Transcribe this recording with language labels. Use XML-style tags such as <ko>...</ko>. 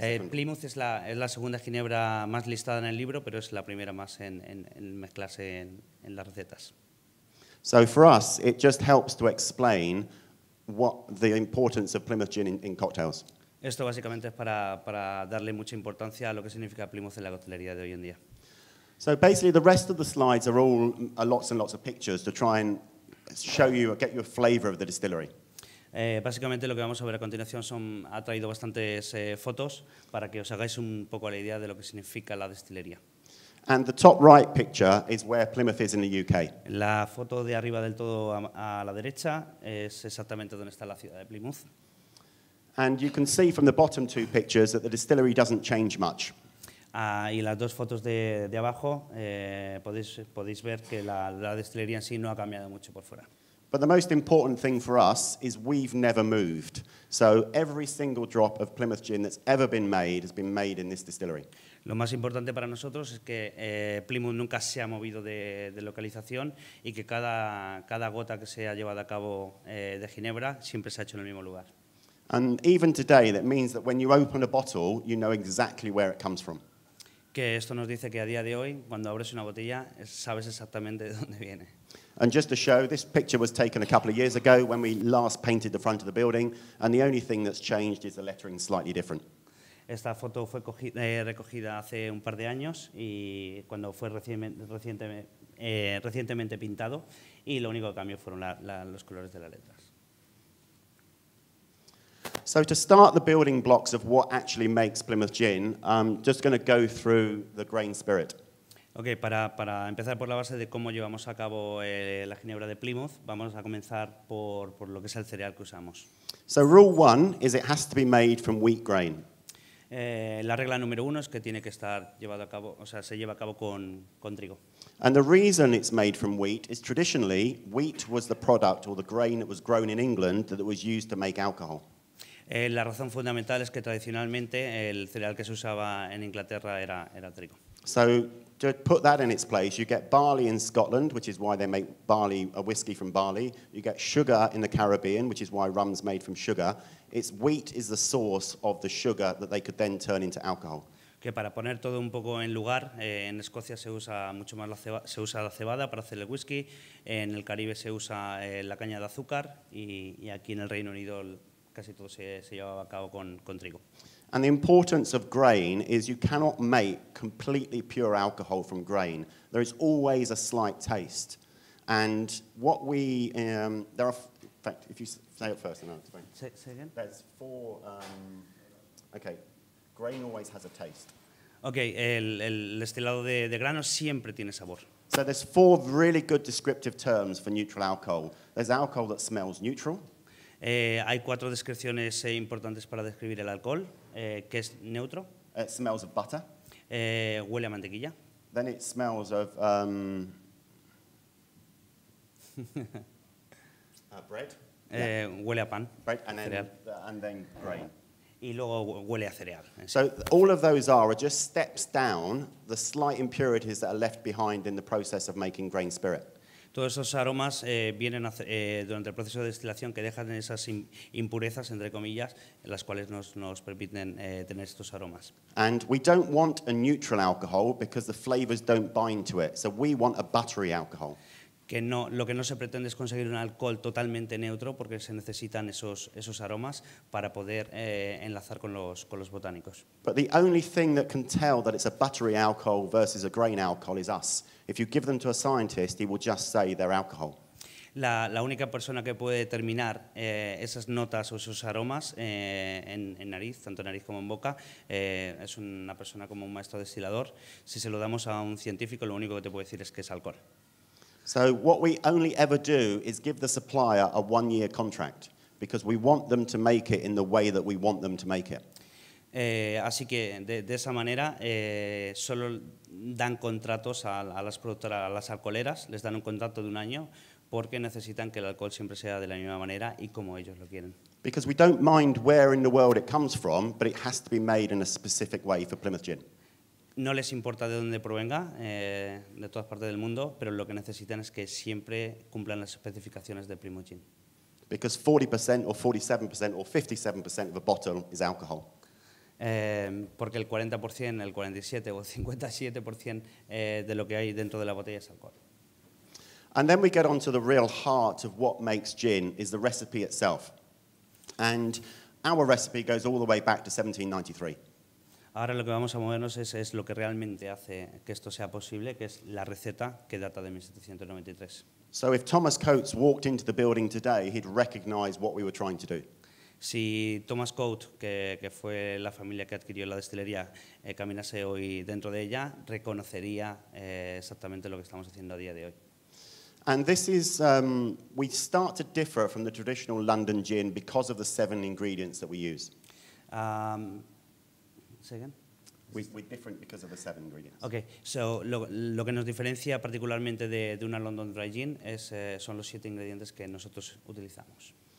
<es>Plymouth es la segunda ginebra más listada en el libro, pero es la primera más en mezclarse en las recetas.</es> <en>So for us, it just helps to explain what the importance of Plymouth gin in cocktails.</en> <es>Esto básicamente es para darle mucha importancia a lo que significa Plymouth en la coctelería de hoy en día.</es> <en>So basically, the rest of the slides are all lots and lots of pictures to try and show you, get your flavor of the distillery.</en> <es>Básicamente, lo que vamos a ver a continuación ha traído bastantes fotos para que os hagáis un poco la idea de lo que significa la destilería.</es> <en>And the top right picture is where Plymouth is in the UK.</en> <es>La foto de arriba del todo a la derecha es exactamente donde está la ciudad de Plymouth.</es> <en>And you can see from the bottom two pictures that the distillery doesn't change much.</en> <es>Y las dos fotos de abajo podéis ver que la destilería en sí no ha cambiado mucho por fuera.</es> <en>But the most important thing for us is we've never moved. So every single drop of Plymouth gin that's ever been made has been made in this distillery.</en> <es>Lo más importante para nosotros es que Plymouth nunca se ha movido de localización y que cada gota que se ha llevado a cabo de Ginebra siempre se ha hecho en el mismo lugar.</es> <en>And even today, that means that when you open a bottle, you know exactly where it comes from.</en> <es>Que esto nos dice que a día de hoy, cuando abres una botella, sabes exactamente de dónde viene.</es> <en>And just to show, this picture was taken a couple of years ago when we last painted the front of the building, and the only thing that's changed is the lettering slightly different.</en> <es>Esta foto fue recogida hace un par de años y cuando fue recientemente pintado, y lo único que cambió fueron los colores de las letras.</es> <en>So to start the building blocks of what actually makes Plymouth gin, I'm just going to go through the grain spirit.</en> <es>Okay, para empezar por la base de cómo llevamos a cabo la ginebra de Plymouth, vamos a comenzar por lo que es el cereal que usamos.</es> <en>So rule one is it has to be made from wheat grain.</en> <es>La regla número uno es que tiene que estar llevado a cabo, o sea, se lleva a cabo con trigo.</es> <en>And the reason it's made from wheat is traditionally wheat was the product or the grain that was grown in England that was used to make alcohol.</en> <es>La razón fundamental es que tradicionalmente el cereal que se usaba en Inglaterra era trigo.</es> <en>So to put that in its place, you get barley in Scotland, which is why they make barley, a whiskey from barley. You get sugar in the Caribbean, which is why rum's made from sugar. It's wheat is the source of the sugar that they could then turn into alcohol.</en> <es>Que para poner todo un poco en lugar, en Escocia se usa mucho más la cebada para hacer el whisky. En el Caribe se usa la caña de azúcar y aquí en el Reino Unido casi todo se llevaba a cabo con trigo.</es> <en>And the importance of grain is you cannot make completely pure alcohol from grain. There is always a slight taste. And what we, there are, in fact, if you say it first, then I'll explain. Say again? There's four, okay, grain always has a taste.</en> <es>Okay, el destilado de grano siempre tiene sabor.</es> <en>So there's four really good descriptive terms for neutral alcohol. There's alcohol that smells neutral.</en> <es>Hay cuatro descripciones importantes para describir el alcohol, que es neutro.</es> <en>It smells of butter.</en> <es>Huele a mantequilla.</es> <en>Then it smells of bread.</en> <es>Huele a pan.</es> <en>Right, and then grain.</en> <es>Y luego huele a cereal.</es> <en>So all of those are just steps down the slight impurities that are left behind in the process of making grain spirit.</en> <es>Todos esos aromas vienen durante el proceso de destilación que dejan esas impurezas, entre comillas, las cuales nos permiten tener estos aromas.</es> <en>And we don't want a neutral alcohol because the flavors don't bind to it. So we want a buttery alcohol.</en> <es>Que no, lo que no se pretende es conseguir un alcohol totalmente neutro porque se necesitan esos aromas para poder enlazar con los botánicos.</es> <en>But the only thing that can tell that it's a buttery alcohol versus a grain alcohol is us. If you give them to a scientist, he will just say they're alcohol.</en> <es>La única persona que puede determinar esas notas o esos aromas en nariz, tanto en nariz como en boca, es una persona como un maestro destilador. Si se lo damos a un científico, lo único que te puede decir es que es alcohol.</es> <en>So what we only ever do is give the supplier a one-year contract because we want them to make it in the way that we want them to make it.</en> <es>Así que de esa manera solo dan contratos a las productoras, a las alcoholeras, les dan un contrato de un año porque necesitan que el alcohol siempre sea de la misma manera y como ellos lo quieren.</es> <en>Because we don't mind where in the world it comes from, but it has to be made in a specific way for Plymouth gin.</en> <es>no les importa de dónde provenga, de todas partes del mundo, pero lo que necesitan es que siempre cumplan las especificaciones de Playmouth Gin.</es> <en>Because 40% or 47% or 57% of a bottle is alcohol.</en> <es>Porque el 40%, el 47 o 57% de lo que hay dentro de la botella es alcohol.</es> <en>And then we get on to the real heart of what makes gin is the recipe itself. And our recipe goes all the way back to 1793.</en> <es>Ahora lo que vamos a movernos es lo que realmente hace que esto sea posible, que es la receta que data de 1793.</es> <en>So if Thomas Coates walked into the building today, he'd recognize what we were trying to do.</en> <es>Si Thomas Coates, que fue la familia que adquirió la destilería, caminase hoy dentro de ella, reconocería exactamente lo que estamos haciendo a día de hoy.</es> <en>And this is, we start to differ from the traditional London gin because of the seven ingredients that we use. Say again? We're different because of the seven ingredients.</en> <es>Okay, so lo que nos diferencia particularmente de una London dry gin son los siete ingredientes que nosotros utilizamos.</es>